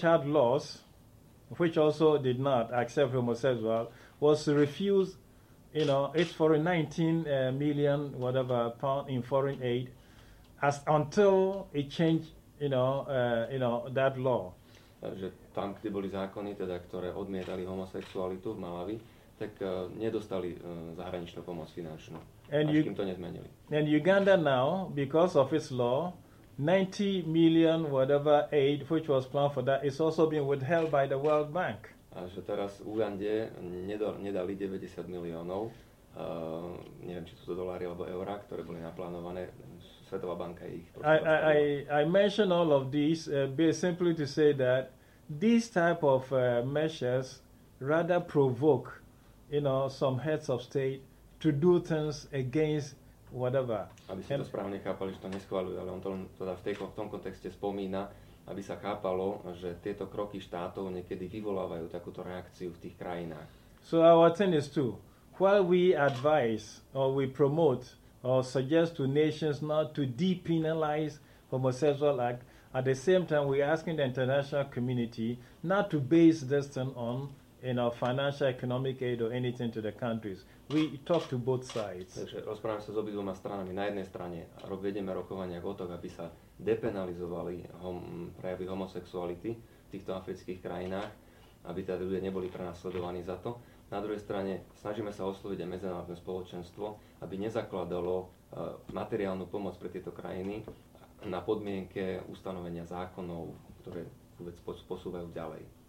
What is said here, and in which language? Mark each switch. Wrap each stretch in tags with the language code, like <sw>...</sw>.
<en>had laws, which also did not accept homosexuals, was refused, it's for a 19 million, whatever, pound in foreign aid, as until it changed, that law.</en> <sk>Takže tam, kde boli zákony, teda, ktoré odmietali homosexualitu v Malawi, tak nedostali zahraničnú pomoc finančnú,</sk> <en>and</en> <sk>až kým to nezmenili.</sk> <en>And Uganda now, because of its law, 90 million whatever aid, which was planned for that, is also being withheld by the World Bank.</en> <sk>A že teraz v Ugande nedali 90 miliónov, neviem, či sú to dolári alebo eurá, ktoré boli naplánované, Svetová banka ich prosila.</sk> <en>I mention all of these simply to say that these type of measures rather provoke, some heads of state to do things against whatever.</en> <sk>Aby si to správne chápali, že to neschváľujú, ale on to teda v tom kontexte spomína, aby sa chápalo, že tieto kroky štátov niekedy vyvolávajú takúto reakciu v tých krajinách.</sk> <en>So our thing is too, while we advise or we promote or suggest to nations not to depenalize homosexual act, at the same time we're asking the international community not to base this thing on financial, economic aid or anything to the countries. We talk to both sides.</en> <sk>Takže rozprávame sa s obidvoma stranami. Na jednej strane vedeme rokovania o to, aby sa depenalizovali prejavy homosexuality v týchto afrických krajinách, aby teda ľudia neboli prenasledovaní za to. Na druhej strane snažíme sa osloviť aj medzinárodné spoločenstvo, aby nezakladalo materiálnu pomoc pre tieto krajiny na podmienke ustanovenia zákonov, ktoré vec posúvajú ďalej.</sk>